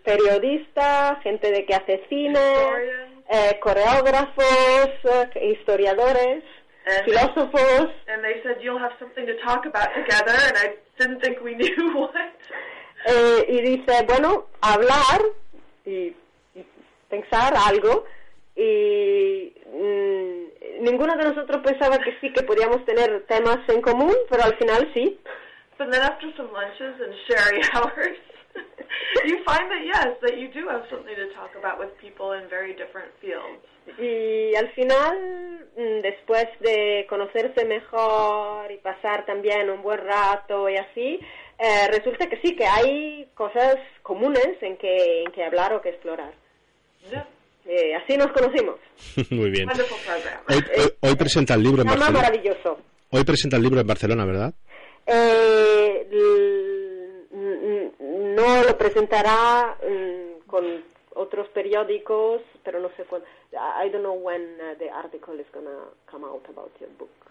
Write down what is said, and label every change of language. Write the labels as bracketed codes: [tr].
[es] periodistas, gente de que hace cine, coreógrafos, historiadores, [en] and [es] filósofos. [en] And they said you'll have something to talk about together, and I didn't think we knew what. [es] Y dice, bueno, hablar y pensar algo. Y ninguno de nosotros pensaba que sí, que podíamos tener temas en común, pero al final sí. [en] But then after some lunches and sherry hours, you find that yes, that you do have something to talk about with people in very different fields. [es] Y al final, después de conocerse mejor y pasar también un buen rato y así, resulta que sí, que hay cosas comunes en que hablar o que explorar. Yeah. Así nos conocimos. Muy bien. [en] Wonderful program. [es] Hoy presenta el libro en Barcelona. Maravilloso. Hoy presenta el libro en Barcelona, ¿verdad? No, lo presentará con otros periódicos, pero no sé cuándo. [en] I don't know when the article is gonna come out about your book.